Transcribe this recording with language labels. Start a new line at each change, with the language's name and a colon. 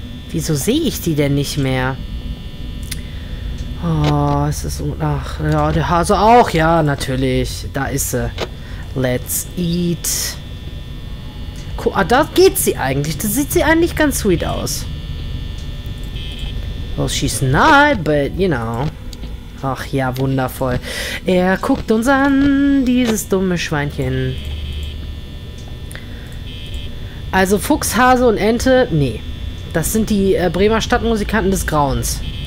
German: Wieso sehe ich die denn nicht mehr? Oh, es ist... Ach, ja, der Hase auch. Ja, natürlich. Da ist sie.
English: Let's eat. Cool.
German: Ah, da geht sie eigentlich. Da sieht sie eigentlich ganz sweet aus.
English: Well, she's not, but you know.
German: Ach ja, wundervoll. Er guckt uns an, dieses dumme Schweinchen. Also Fuchs, Hase und Ente, nee. Das sind die Bremer Stadtmusikanten des Grauens.